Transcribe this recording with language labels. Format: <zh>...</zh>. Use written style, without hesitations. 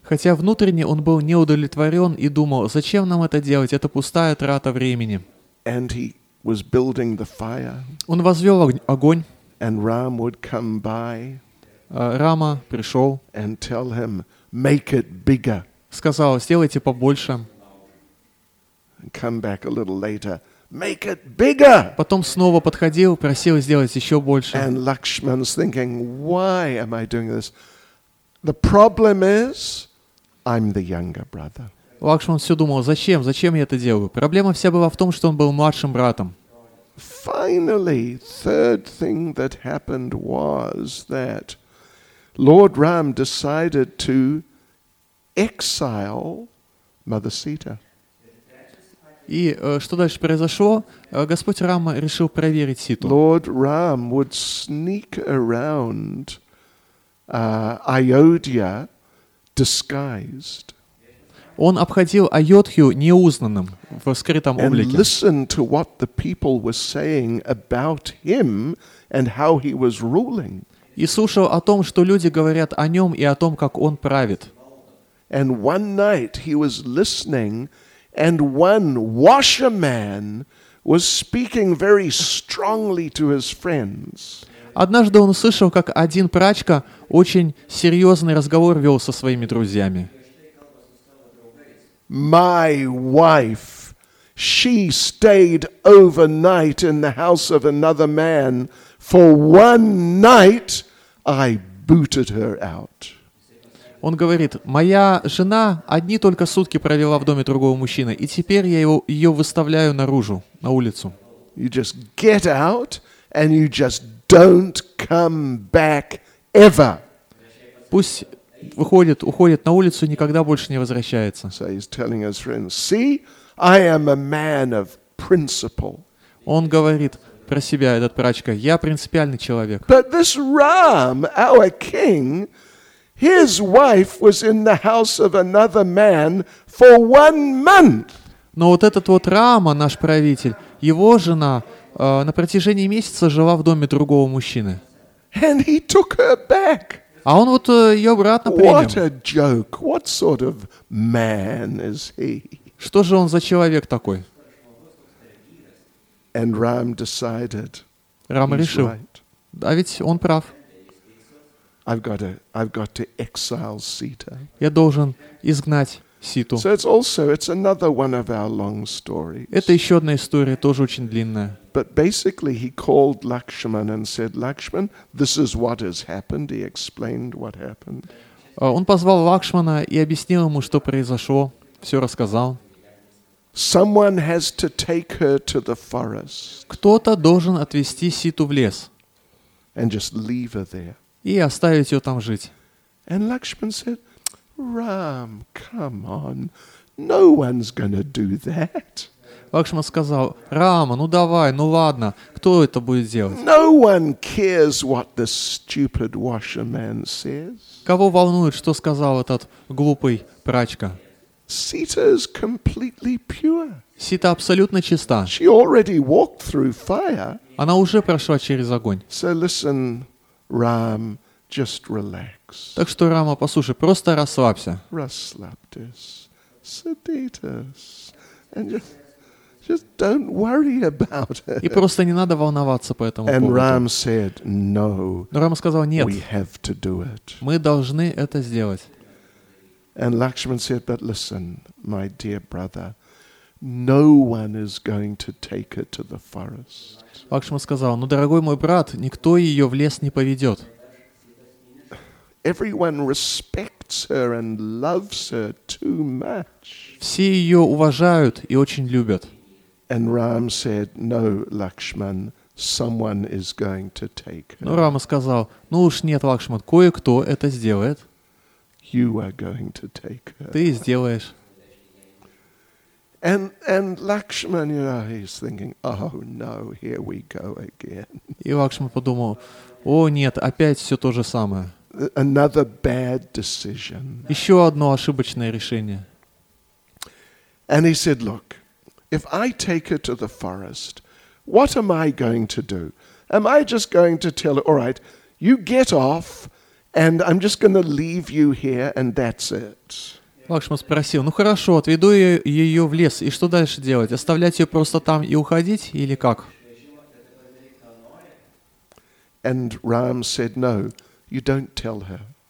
<ru>Хотя внутренне он был неудовлетворен и думал, зачем нам это делать? Это пустая трата времени.</ru> <en>And he was building the fire.</en> <ru>Он возвел огонь.</ru> <en>And Ram would come by.</en> <ru>Рама пришел.</ru> <en>And tell him, make it bigger.</en> <ru>Сказал, сделайте побольше.</ru> <en>And come back a little later, make it bigger.</en> <ru>Потом снова подходил, просил сделать еще больше.</ru> <en>And Lakshman's thinking, why am I doing this? The problem is, I'm the younger brother.</en> <ru>Лакшман все думал, зачем я это делаю? Проблема вся была в том, что он был младшим братом.</ru> <en>Finally, third thing that happened was that Lord Ram decided to exile Mother Sita.</en> <ru>И что дальше произошло? Господь Рама решил проверить Ситу.</ru> <en>Lord Ram would sneak around Ayodhya disguised.</en> <ru>Он обходил Айодхью неузнанным, в скрытом облике.</ru> <en>And listened to what the people were saying about him and how he was ruling.</en> <ru>И слушал о том, что люди говорят о нем и о том, как он правит.</ru> <en>And one night he was listening, and one washerman was speaking very strongly to his friends.</en> <ru>Однажды он услышал, как один прачка очень серьезный разговор вел со своими друзьями.</ru> <en>My wife, she stayed overnight in the house of another man. For one night, I booted her out.</en> <ru>Он говорит, моя жена одни только сутки провела в доме другого мужчины, и теперь я ее выставляю наружу, на улицу.</ru> <en>You just get out, and you just don't come back ever.</en> <ru>Пусть выходит, уходит на улицу, никогда больше не возвращается.</ru> <en>So he's telling his friends, see, I am a man of principle.</en> <ru>Он говорит про себя, этот прачка, я принципиальный человек.</ru> <en>But this Ram, our king, his wife was in the house of another man for one month.</en> <ru>Но вот этот вот Рама, наш правитель, его жена на протяжении месяца жила в доме другого мужчины.</ru> <en>And he took her back.</en> <ru>А он вот ее обратно принял.</ru> <en>What a joke. What sort of man is he?</en> <ru>Что же он за человек такой?</ru> <en>And Ram decided.</en> <ru>Рама</ru> <en>he's</en> <ru>решил.</ru> <en>Right.</en> <ru>А ведь он прав.</ru> <en>I've got to exile Sita.</en> <ru>Я должен изгнать Ситу.</ru> <en>So it's another one of our long stories.</en> <ru>Это еще одна история, тоже очень длинная.</ru> <en>But basically he called Lakshman and said, Lakshman, this is what has happened. He explained what happened.</en> <ru>Он позвал Лакшмана и объяснил ему, что произошло, все рассказал.</ru> <en>Someone has to take her to the forest.</en> <ru>Кто-то должен отвезти Ситу в лес.</ru> <en>And just leave her there.</en> <ru>И оставить ее там жить.</ru> <en>And Lakshman said, Ram, come on, no one's gonna do that.</en> <ru>Лакшман сказал, Рама, ну давай, ну ладно, кто это будет делать?</ru> <en>No one cares what the stupid washerman says.</en> <ru>Кого волнует, что сказал этот глупый прачка?</ru> <en>Sita is completely pure.</en> <ru>Сита абсолютно чиста.</ru> <en>She already walked through fire.</en> <ru>Она уже прошла через огонь.</ru> <en>So listen, Ram, just relax.</en> <ru>Так что, Рама, послушай, просто расслабься. Расслабьтесь. Садитесь.</ru> <en>And just don't worry about it.</en> <ru>И просто не надо волноваться по этому</ru> <en>And</en> <ru>поводу.</ru> <en>Ram said, no,</en> <ru>Но Рама сказал, нет.</ru> <en>We have to do it.</en> <ru>Мы должны это сделать.</ru> <en>And Lakshman said, but listen, my dear brother, no one is going to take her to the forest.</en> <ru>Лакшман сказал, ну, дорогой мой брат, никто ее в лес не поведет.</ru> <en>Everyone respects her and loves her too much.</en> <ru>Все ее уважают и очень любят.</ru> <en>And Ram said, no, Lakshman, someone is going to take her.</en> <ru>Ну, Рама сказал, ну уж нет, Лакшман, кое-кто это сделает.</ru> <en>You are going to take her.</en> <ru>Ты сделаешь.</ru> <en>And Lakshman, you know, he's thinking, oh no, here we go again.</en> <ru>И Лакшман подумал, о нет, опять все то же самое.</ru> <en>Another bad decision.</en> <ru>Еще одно ошибочное решение.</ru> <en>And he said, look, if I take her to the forest, what am I going to do? Am I just going to tell her, all right, you get off, and I'm just going to leave you here, and that's it.</en> <ru>Лакшман спросил, ну хорошо, отведу ее в лес, и что дальше делать? Оставлять ее просто там и уходить, или как?</ru> <en>And Ram said, no, you don't tell her.</en>